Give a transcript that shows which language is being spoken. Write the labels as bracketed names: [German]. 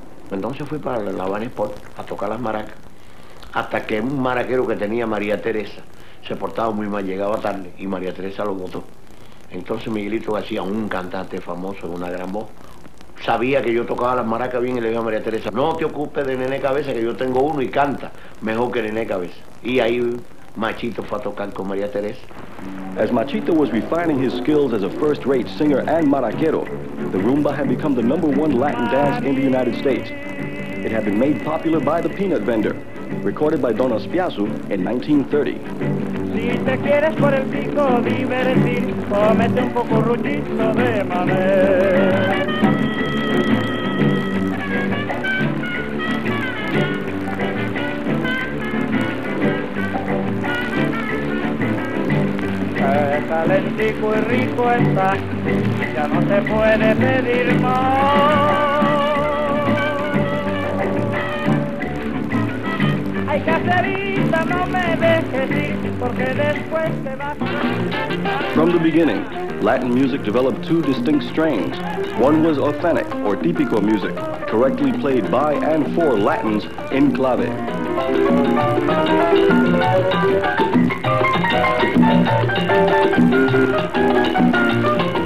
[Spanish] Entonces fui para la Habana Sport a tocar las maracas, hasta que un maraquero que tenía María Teresa se portaba muy mal, llegaba tarde, y María Teresa lo botó. Entonces Miguelito García, un cantante famoso de una gran voz, sabía que yo tocaba las maracas bien y le dije a María Teresa, no te ocupes de Nené Cabeza, que yo tengo uno y canta mejor que Nené Cabeza. Y ahí Machito fue a tocar con María Teresa. [English] As Machito was refining his skills as a first-rate singer and maraquero, the rumba had become the number one Latin dance in the United States. It had been made popular by the Peanut Vendor, recorded by Don Aspiazu in 1930. [Spanish] Si te quieres por el pico divertir, comete un poco ruchito de mamé. Calentico y rico está, ya no se puede pedir más. Ay, caserita, no me dejes ir, porque después te vas a... [English] From the beginning, Latin music developed two distinct strains. One was authentic, or típico music, correctly played by and for Latins in clave. Thank you.